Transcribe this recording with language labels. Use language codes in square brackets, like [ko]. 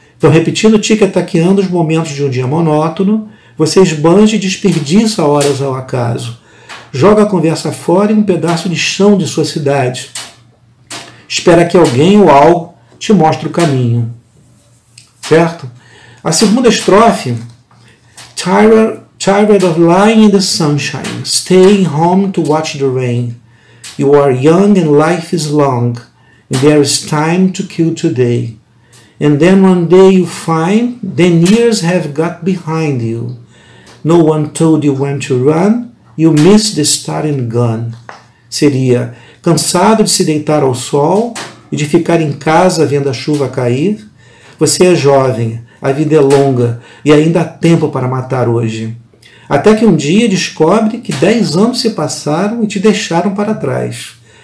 [pt] Então, repetindo, tique-taqueando os momentos de um dia monótono, você esbanja e desperdiça horas ao acaso. Joga a conversa fora em um pedaço de chão de sua cidade. Espera que alguém ou algo te mostre o caminho. Certo? A segunda estrofe, [en] tired of lying in the sunshine, staying home to watch the rain. You are young and life is long, and there is time to kill today. And then one day you find, then years have got behind you. No one told you when to run. You miss the starting gun. [pt] Seria cansado de se deitar ao sol e de ficar em casa vendo a chuva cair. Você é jovem, a vida é longa e ainda há tempo para matar hoje. Até que um dia descobre que 10 anos se passaram e te deixaram para trás.